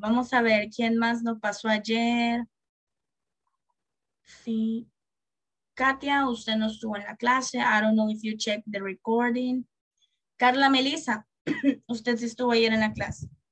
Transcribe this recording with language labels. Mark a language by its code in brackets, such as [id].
[es] Vamos a ver quién más nos pasó ayer. Sí. Katia, usted no estuvo en la clase. [en] I don't know if you checked the recording. [es] Carla Melissa, usted sí estuvo ayer en la clase.